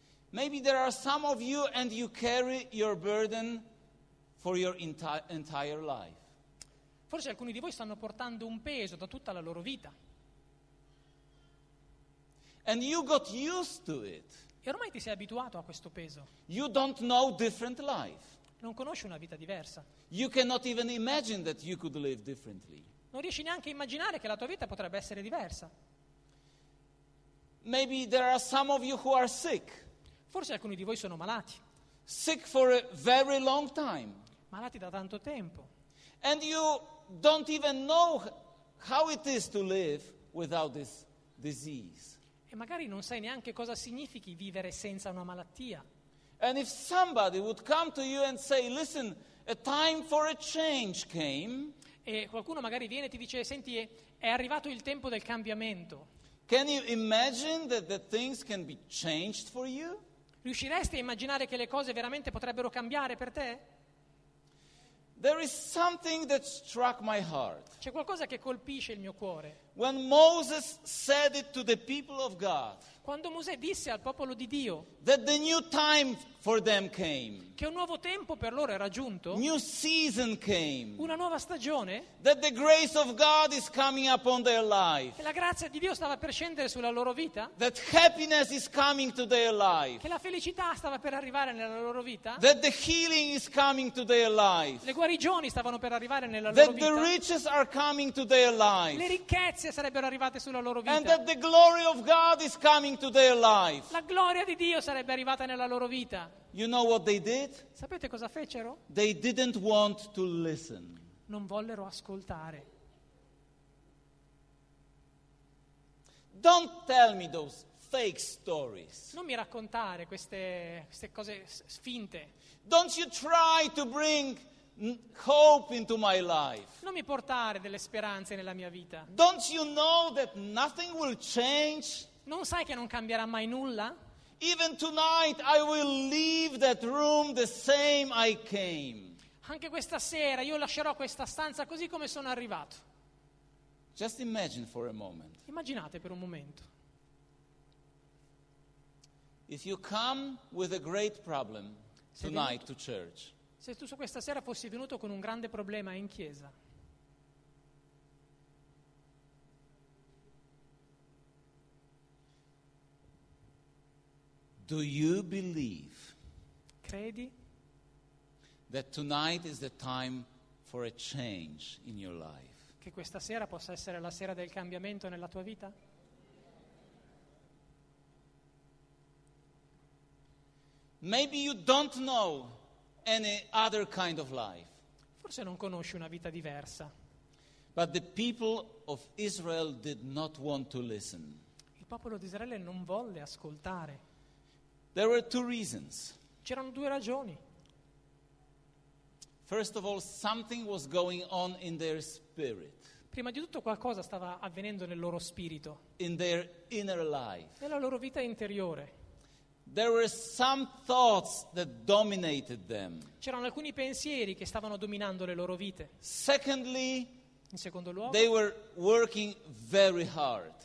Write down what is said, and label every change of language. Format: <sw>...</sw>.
<en>Maybe there are some of you and you carry your burden for your entire life.</en> <it>Forse alcuni di voi stanno portando un peso da tutta la loro vita.</it> <en>And you got used to it.</en> <it>E ormai ti sei abituato a questo peso.</it> <en>You don't know different life.</en> <it>Non conosci una vita diversa.</it> <en>You cannot even imagine that you could live differently.</en> <it>Non riesci neanche a immaginare che la tua vita potrebbe essere diversa.</it> <en>Maybe there are some of you who are sick.</en> <it>Forse alcuni di voi sono malati.</it> <en>Sick for a very long time.</en> <it>Malati da tanto tempo.</it> <en>And you don't even know how it is to live without this disease.</en> <it>E magari non sai neanche cosa significhi vivere senza una malattia.</it> <en>And if somebody would come to you and say, listen, a time for a change came.</en> <it>E qualcuno magari viene e ti dice, senti, è arrivato il tempo del cambiamento.</it> <en>Can you imagine that the things can be changed for you?</en> <it>Riusciresti a immaginare che le cose veramente potrebbero cambiare per te?</it> <en>There is something that struck my heart.</en> <it>C'è qualcosa che colpisce il mio cuore.</it> <en>When Moses said it to the people of God,</en> <it>quando Mosè disse al popolo di Dio,</it> <en>that the new time for them came,</en> <it>che un nuovo tempo per loro era giunto,</it> <en>new season came,</en> <it>una nuova stagione,</it> <en>that the grace of God is coming upon their life,</en> <it>che la grazia di Dio stava per scendere sulla loro vita,</it> <en>that happiness is coming to their life,</en> <it>che la felicità stava per arrivare nella loro vita,</it> <en>that the healing is coming to their life,</en> <it>le guarigioni stavano per arrivare nella</it> <en>that</en> <it>loro</it> <en>the</en> <it>vita,</it> <en>riches are coming to their life,</en> <it>le ricchezze sarebbero arrivate sulla loro vita,</it> <en>and that the glory of God is coming to their life,</en> <it>la gloria di Dio sarebbe arrivata nella loro vita.</it> <en>You know what they did?</en> <it>Sapete cosa fecero?</it> <en>They didn't want to listen.</en> <it>Non vollero ascoltare.</it> <en>Don't tell me those fake stories.</en> <it>Non mi raccontare queste cose finte.</it> <en>Don't you try to bring hope into my life.</en> <it>Non mi portare delle speranze nella mia vita.</it> <en>Don't you know that nothing will change?</en> <it>Non sai che non cambierà mai nulla?</it> <en>Even tonight I will leave that room the same I came.</en> <it>Anche questa sera io lascerò questa stanza così come sono arrivato.</it> <en>Just imagine for a moment.</en> <it>Immaginate per un momento.</it> <en>If you come with a great problem tonight to church.</en> <it>Se tu su questa sera fossi venuto con un grande problema in chiesa.</it> <en>Do you believe?</en> <it>Credi?</it> <en>That tonight is the time for a change in your life.</en> <it>Che questa sera possa essere la sera del cambiamento nella tua vita?</it> <en>Maybe you don't know any other kind of life.</en> <it>Forse non conosci una vita diversa.</it> <en>But the people of Israel did not want to listen.</en> <it>Il popolo di Israele non volle ascoltare.</it> <en>There were two reasons.</en> <it>C'erano due ragioni.</it> <en>First of all, something was going on in their spirit.</en> <it>Prima di tutto qualcosa stava avvenendo nel loro spirito.</it> <en>In their inner life.</en> <it>Nella loro vita interiore.</it> <en>There were some thoughts that dominated them.</en> <it>C'erano alcuni pensieri che stavano dominando le loro vite.</it> <en>Secondly,</en> <it>in secondo luogo,</it> <en>they were working very hard.</en>